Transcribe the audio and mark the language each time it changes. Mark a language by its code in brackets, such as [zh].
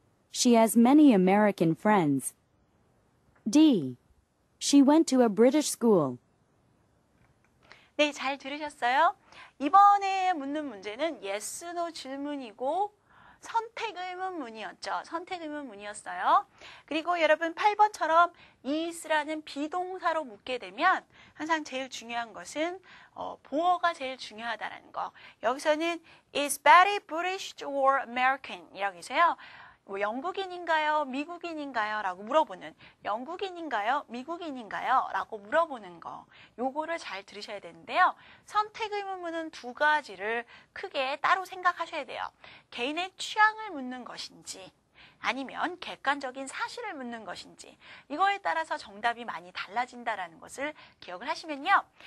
[en] She has many American friends. D. She went to a British school. [ko] 네, 잘 들으셨어요? 이번에 묻는 문제는 yes, no 질문이고 선택 의문문이었죠. 선택 의문문이었어요. 그리고 여러분 8번처럼 is라는 비동사로 묻게 되면 항상 제일 중요한 것은 보어가 제일 중요하다는 거. [en] 여기서는 is Betty British or American? [ko] 이라고 해서요. 뭐 영국인인가요? 미국인인가요? 라고 물어보는 영국인인가요? 미국인인가요? 라고 물어보는 거 요거를 잘 들으셔야 되는데요. 선택 의문문은 두 가지를 크게 따로 생각하셔야 돼요. 개인의 취향을 묻는 것인지 아니면 객관적인 사실을 묻는 것인지 이거에 따라서 정답이 많이 달라진다라는 것을 기억을 하시면요.